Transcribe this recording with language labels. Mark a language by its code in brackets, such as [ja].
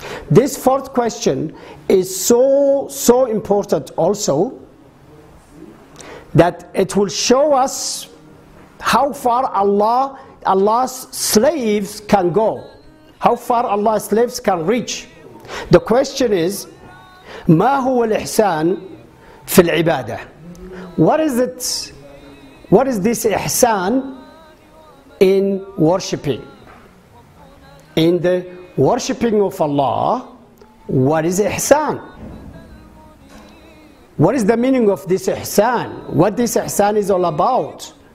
[en] This fourth question is so important also, that it will show us how far Allah's slaves can go, how far Allah's slaves can reach. The question is, [ar] ما هو الإحسان في العبادة? [en] What is it? What is this ihsan in worshipping? In the worshipping of Allah, what is ihsan? What is the meaning of this ihsan? What this ihsan is all about?